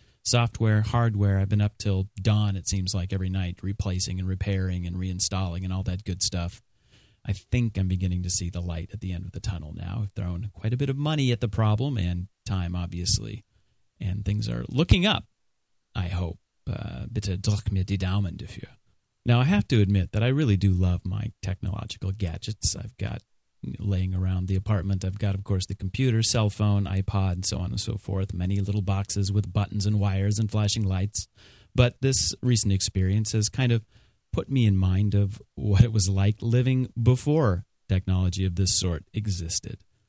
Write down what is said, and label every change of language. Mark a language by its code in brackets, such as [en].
[en] Software, hardware, I've been up till dawn, it seems like, every night, replacing and repairing and reinstalling and all that good stuff. I think I'm beginning to see the light at the end of the tunnel now. I've thrown quite a bit of money at the problem and time, obviously. And things are looking up, I hope. [de] Bitte drück mir die Daumen dafür. [en] Now, I have to admit that I really do love my technological gadgets I've got laying around the apartment. I've got, of course, the computer, cell phone, iPod, and so on and so forth. Many little boxes with buttons and wires and flashing lights. But this recent experience has kind of put me in mind of what it was like living before technology of this sort existed.